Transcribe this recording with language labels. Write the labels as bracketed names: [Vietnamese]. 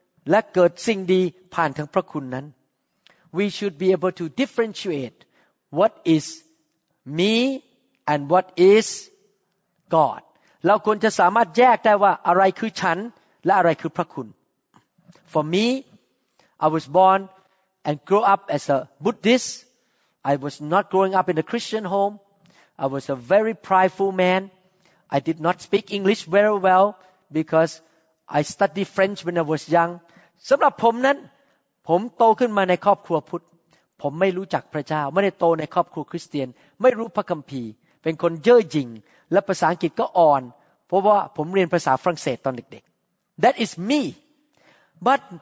[Thai] และเกิดสิ่งดีผ่านทางพระคุณนั้น [English] we should be able to differentiate what is me and what is God [Thai] เราควรจะสามารถแยกได้ว่าอะไรคือฉันและอะไรคือพระคุณ [English] For me, I was born and grew up as a Buddhist. I was not growing up in a Christian home. I was a very prideful man. I did not speak English very well because I studied French when I was young. [Thai] สำหรับผมนั้นผมโตขึ้นมาในครอบครัวพุทธผมไม่รู้จักพระเจ้าไม่ได้โตในครอบครัวคริสเตียนไม่รู้พระคัมภีร์เป็นคนเย่อหยิ่งและภาษาอังกฤษก็อ่อนเพราะว่าผมเรียนภาษาฝรั่งเศสตอนเด็กๆ [English] That is me but